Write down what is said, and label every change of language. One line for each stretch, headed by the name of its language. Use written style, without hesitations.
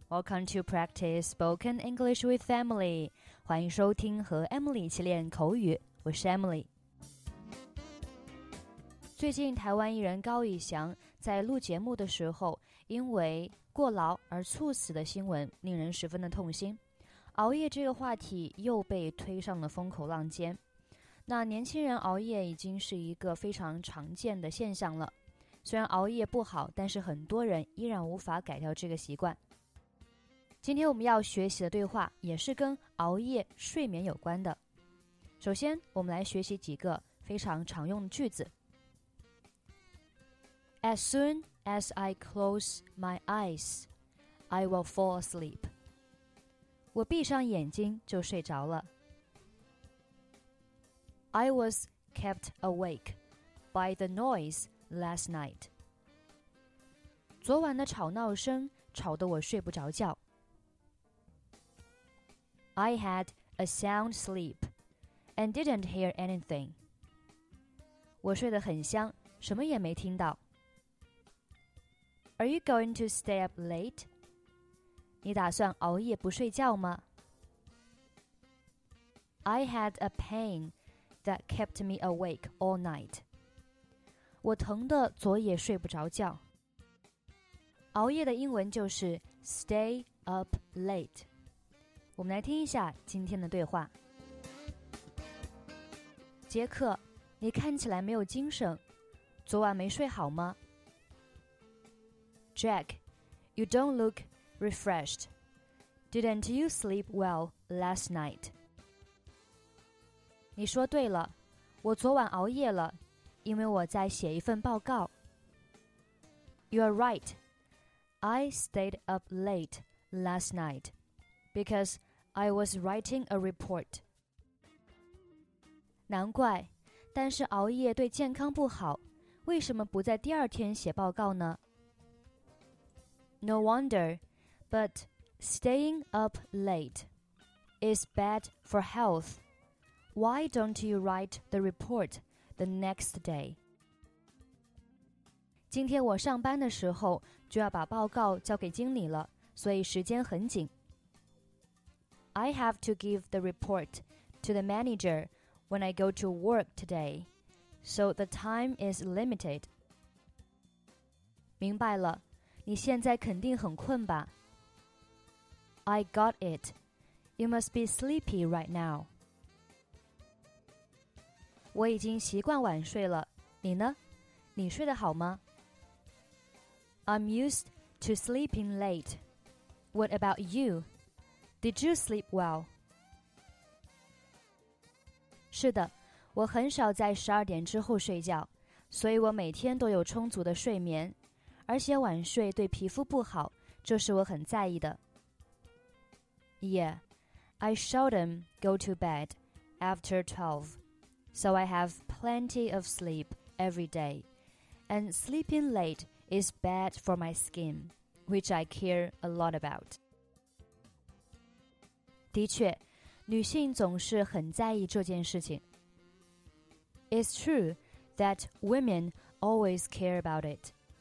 English: Welcome to Practice Spoken English with Emily.
Chinese: 欢迎收听和 Emily 一起练口语，我是 Emily。最近台湾艺人高以翔在录节目的时候，因为过劳而猝死的新闻令人十分的痛心。熬夜这个话题又被推上了风口浪尖。那年轻人熬夜已经是一个非常常见的现象了。虽然熬夜不好，但是很多人依然无法改掉这个习惯。今天我们要学习的对话也是跟熬夜、睡眠有关的。首先，我们来学习几个非常常用的句子。
English: As soon as I close my eyes, I will fall asleep.
Chinese: 我闭上眼睛就睡着了。
English: I was kept awake by the noise. Last night.
Chinese: 昨晚的吵闹声吵得我睡不着觉。
English: I had a sound sleep and didn't hear anything.
Chinese: 我睡得很香，什么也没听到。
English: Are you going to stay up late?
Chinese: 你打算熬夜不睡觉吗？
English: I had a pain that kept me awake all night.
Chinese: 我疼得昨夜睡不着觉。熬夜的英文就是
English: stay up late。
Chinese: 我们来听一下今天的对话。杰克，你看起来没有精神，昨晚没睡好吗？
English: Jack, you don't look refreshed. Didn't you sleep well last night?
Chinese: 你说对了，我昨晚熬夜了。因为我在写一份报告。
English: You are right. I stayed up late last night because I was writing a report.
Chinese: 难怪，但是熬夜对健康不好，为什么不在第二天写报告呢？
English: No wonder, but staying up late is bad for health. Why don't you write the report? The next day.
Chinese: 今天我上班的时候就要把报告交给经理了，所以时间很紧。
English: I have to give the report to the manager when I go to work today, so the time is limited.
Chinese: 明白了，你现在肯定很困吧？
English: I got it. You must be sleepy right now.
Chinese: 我已经习惯晚睡了，你呢？你睡得好吗？
English: I'm used to sleeping late. What about you? Did you sleep well?
Chinese: 是的，我很少在十二点之后睡觉，所以我每天都有充足的睡眠，而且晚睡对皮肤不好，这是我很在意的。
English: Yeah, I seldom go to bed after 12. So I have plenty of sleep every day. And sleeping late is bad for my skin, which I care a lot about.
Chinese: 的确，女性总是很在意这件事情。
English: It's true that women always care about it.